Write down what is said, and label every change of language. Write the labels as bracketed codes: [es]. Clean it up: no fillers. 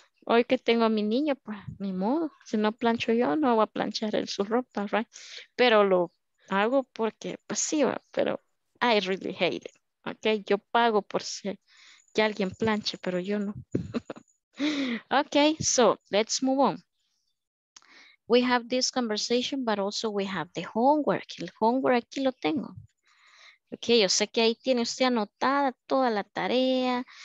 [es] Hoy que tengo a mi niño, pues, ni modo. Si no plancho yo, no voy a planchar en su ropa, right? Pero lo hago porque pasiva, pero I really hate it, okay? Yo pago por si que alguien planche, pero yo no. [en] Okay, so let's move on. We have this conversation, but also we have the homework. [es] El homework aquí lo tengo. Okay, yo sé que ahí tiene usted anotada toda la tarea.